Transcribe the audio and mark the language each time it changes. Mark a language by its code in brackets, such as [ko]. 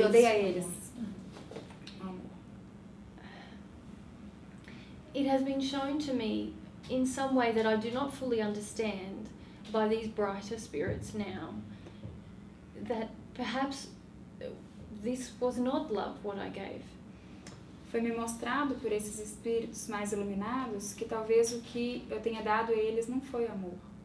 [pt] Que eu dei a eles. [en] It has been shown to me in some way that I do not fully understand by these brighter spirits now that perhaps this was not love what I gave. [pt] Foi me mostrado por esses espíritos mais iluminados que talvez o que eu tenha dado a eles não foi amor.